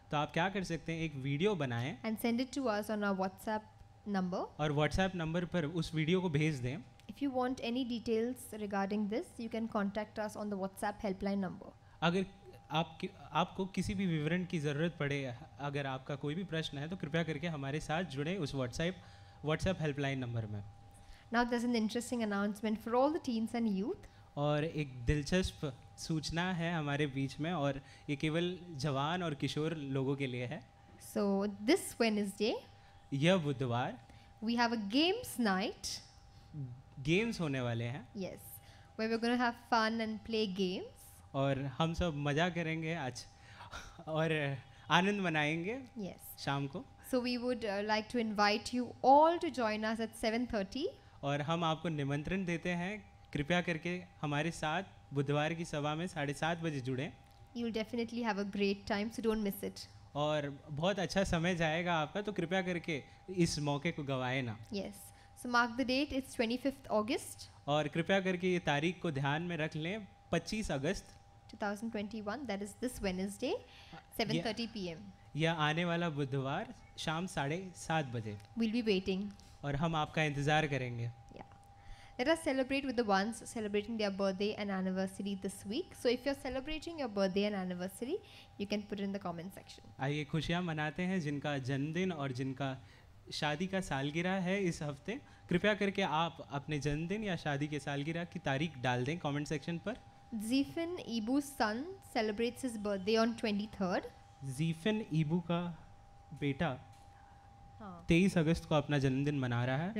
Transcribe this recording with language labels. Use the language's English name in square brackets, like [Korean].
[Hindi] तो आप क्या कर सकते हैं, एक वीडियो बनाएं [English] and send it to us on our WhatsApp number. [Hindi] और WhatsApp नंबर पर उस वीडियो को भेज दें. [English] If you want any details regarding this, you can contact us on the WhatsApp helpline number. [Hindi] अगर आपको किसी भी विवरण की जरूरत पड़े, अगर आपका कोई भी प्रश्न है, तो कृपया करके हमारे साथ जुड़े उस WhatsApp helpline number में. [English] Now there's an interesting announcement for all the teens and youth. [Hindi] और एक दिलचस्प सूचना है हमारे बीच में और ये केवल जवान और किशोर लोगों के लिए है. [English] So this Wednesday, [Hindi] यह बुधवार, [English] we have a games night. [Hindi] Games होने वाले हैं. [English] Yes, where we're going to have fun and play games. [Hindi] और हम सब मजा करेंगे आज और आनंद मनाएंगे. [English] Yes, [Hindi] शाम को. [English] So we would like to invite you all to join us at 7:30. [Hindi] और हम आपको निमंत्रण देते हैं, कृपया करके हमारे साथ बुधवार की सभा में 7:30 बजे जुड़ें. [English] You'll definitely have a great time, so don't miss it. [Hindi] और बहुत अच्छा समय जाएगा आपका, तो कृपया करके इस मौके को गवाएं ना. [English] Yes, so mark the date, it's 25th August. [Hindi] और कृपया करके ये तारीख को ध्यान में रख लें, 25 [English] अगस्त 2021, that is this Wednesday, 7:30 PM. [Hindi] या आने वाला बुधवार शाम 7:30 बजे. [English] We'll be waiting. [Hindi] और हम आपका इंतजार करेंगे. [English] Yeah. Let us celebrate with the ones celebrating their birthday and anniversary this week. So if you're celebrating your birthday and anniversary, you can put it in the comment section. [Hindi] आइए खुशियां मनाते हैं जिनका जन्मदिन और जिनका शादी का सालगिरह है इस हफ्ते. कृपया करके आप अपने जन्मदिन या शादी के सालगिरह की तारीख डाल दें कॉमेंट सेक्शन पर. [English] ज़ीफ़न इबू son celebrates his birthday on 23rd. [Hindi] ज़ीफ़न Ibu का बेटा 23 अगस्त को अपना जन्मदिन मना रहा है.